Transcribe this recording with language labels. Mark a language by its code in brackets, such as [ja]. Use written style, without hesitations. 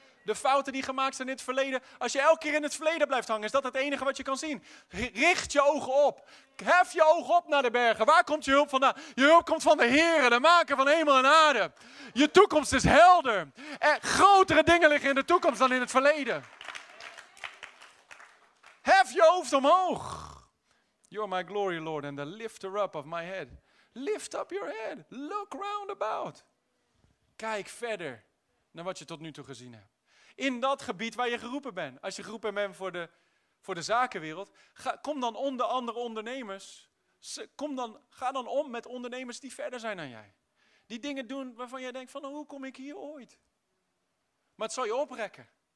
[nl] de fouten die gemaakt zijn in het verleden. Als je elke keer in het verleden blijft hangen, is dat het enige wat je kan zien. Richt je ogen op. Hef je ogen op naar de bergen. Waar komt je hulp vandaan? Je hulp komt van de Heere, de maker van hemel en aarde. Je toekomst is helder. En grotere dingen liggen in de toekomst dan in het verleden. Hef je hoofd omhoog. [en] You are my glory, Lord, and the lifter up of my head. Lift up your head. Look round about. [nl] Kijk verder naar wat je tot nu toe gezien hebt. In dat gebied waar je geroepen bent. Als je geroepen bent voor de zakenwereld. Kom dan onder andere ondernemers. Ga dan om met ondernemers die verder zijn dan jij. Die dingen doen waarvan jij denkt, van nou, hoe kom ik hier ooit? Maar het zal je oprekken.